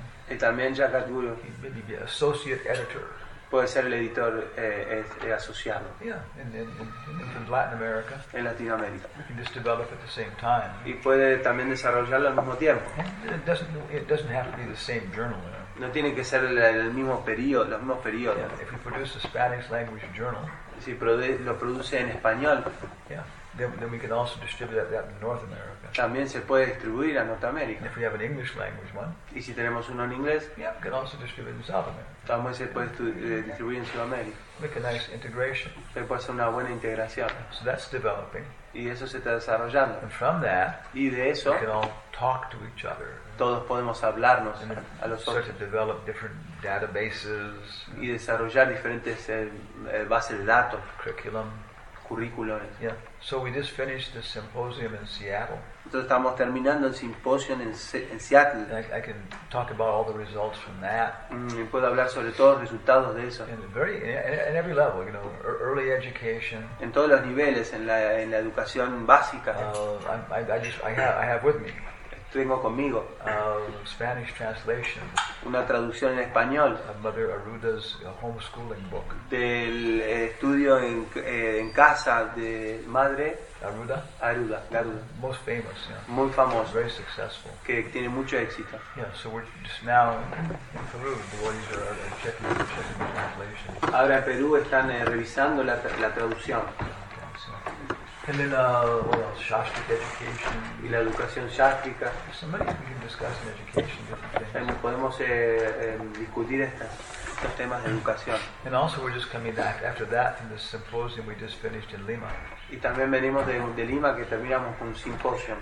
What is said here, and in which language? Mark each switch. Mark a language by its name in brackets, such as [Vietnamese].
[Spanish] Y también Jagat Guru. [English] Maybe associate editor. [Spanish] Puede ser el editor asociado. [English] Yeah, in Latin America. [Spanish] En Latinoamérica. [English] You can just develop at the same time. [Spanish] Y puede también desarrollarlo al mismo tiempo. [English] It doesn't have to be the same journal. You know? [Spanish] No tiene que ser el mismo periodo, los mismos periodos. [English] Yeah, if you produce a Spanish language journal. [Spanish] Si lo produce en español, [English] yeah. Then we can also distribute that in North America. [Spanish] También se puede distribuir a Norteamérica. [English] If we have an English language one, [Spanish] y si tenemos uno en inglés, [English] yeah, we can also distribute in South America. [Spanish] También se puede distribuir en Sudamérica. [English] Make a nice integration. [Spanish] Se puede hacer una buena integración. [English] So that's developing. [Spanish] Y eso se está desarrollando. [English] And from that, [Spanish] y de eso, [English] we can all talk to each other. [Spanish] Todos podemos hablarnos a los otros. [English] Start to develop different databases. [Spanish] Y desarrollar diferentes bases de datos. [English] Curriculum. [Spanish] Curriculares. [English] Yeah. So we just finished the symposium in Seattle. [Spanish] Entonces estamos terminando el simposio en Seattle. [English] I can talk about all the results from that. [Spanish] Y puedo hablar sobre todos los resultados de eso. [English] In every level, you know, early education. [Spanish] En todos los niveles, en la educación básica. [English] I have with me. [Spanish] Tengo conmigo [English] Spanish translation, [Spanish] una traducción en español [English] of Mother Aruda's homeschooling book. [Spanish] Del estudio en casa de madre Aruda. Aruda, Garuda. [English] Most famous, yeah. [Spanish] Muy famoso. [English] Very successful. [Spanish] Que tiene mucho éxito. [English] Yeah, so we're just now in Peru. The devotees are checking the translation. [Spanish] Ahora en Perú están revisando la traducción. [English] And then what else? Shastric education. [Spanish] Y la educación shastrica. [English] So many we can discuss in education different things. [Spanish] Podemos discutir estos temas de educación. [English] And also we're just coming back after that from the symposium we just finished in Lima. [Spanish] Y también venimos de Lima que terminamos con un simposio.